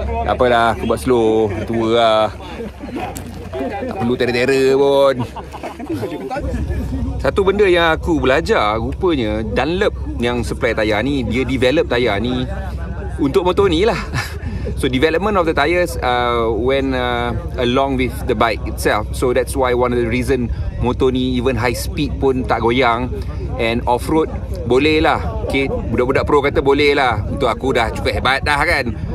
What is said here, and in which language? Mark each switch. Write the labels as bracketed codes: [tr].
[ms] Apalah, aku buat slow. Tua lah. Tak perlu terer-terer pun. Satu benda yang aku belajar, rupanya Dunlop yang supply tayar ni, dia develop tayar ni untuk motor ni lah. [en] So development of the tires went along with the bike itself. So that's why one of the reason [ms] motor ni [en] even high speed [ms] pun tak goyang. And off-road boleh lah. Okay, budak-budak pro kata boleh lah. Untuk aku dah cukup hebat dah kan.